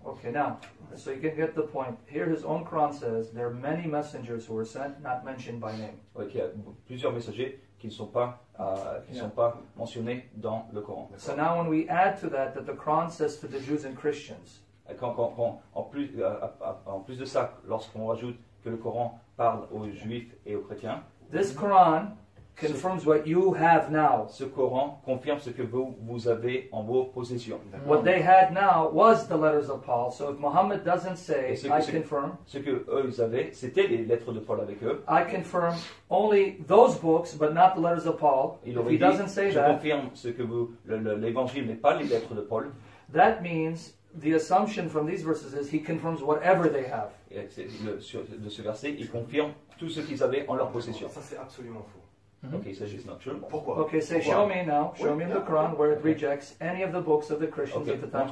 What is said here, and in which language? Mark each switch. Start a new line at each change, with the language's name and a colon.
English: Ok, now, so you can get the point. Here his own Quran says, there are many messengers who were sent, not mentioned by name.
French: Ok, plusieurs messagers qui ne sont pas qui sont pas mentionnés dans le Coran.
English: So now when we add to that that the Quran says to the Jews and Christians.
French: En plus de ça, lorsqu'on rajoute que le Coran parle aux Juifs et aux chrétiens.
English: This Quran confirms what you have now.
French: Ce Coran confirme ce que vous avez en vos possessions.
English: What they had now was the letters of Paul. So if Muhammad doesn't say, I confirm.
French: Ce que eux avaient, c'était les lettres de Paul avec eux.
English: I confirm only those books, but not the letters of Paul. If he doesn't say that,
French: je confirme ce que vous l'évangile n'est pas les lettres de Paul.
English: That means the assumption from these verses is he confirms whatever they have.
French: De ce verset, il confirme tout ce qu'ils avaient en leur possession. Ça c'est absolument faux.
English: Mm-hmm. Okay, so it's not true.
French: Pourquoi?
English: Okay, say,
French: pourquoi?
English: Show me now. Show me in the Quran where it rejects any of the books of the Christians at the time.